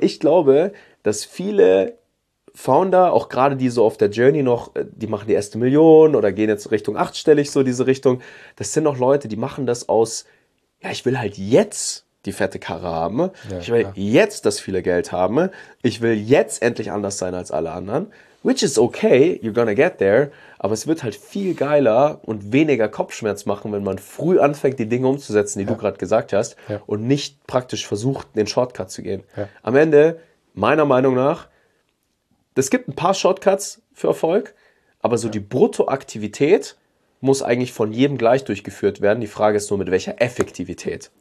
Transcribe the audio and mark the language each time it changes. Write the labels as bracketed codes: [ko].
[de] ich glaube, dass viele Founder, auch gerade die so auf der Journey noch, die machen die erste Million oder gehen jetzt Richtung achtstellig, so diese Richtung. Das sind noch Leute, die machen das aus, ja, ich will halt jetzt die fette Karre haben. Ich Ja, will klar. jetzt das viele Geld haben. Ich will jetzt endlich anders sein als alle anderen. [en] Which is okay, you're gonna get there. [de] Aber es wird halt viel geiler und weniger Kopfschmerz machen, wenn man früh anfängt, die Dinge umzusetzen, die du gerade gesagt hast, und nicht praktisch versucht, den Shortcut zu gehen. Am Ende, meiner Meinung nach, es gibt ein paar Shortcuts für Erfolg, aber so die Bruttoaktivität muss eigentlich von jedem gleich durchgeführt werden. Die Frage ist nur, mit welcher Effektivität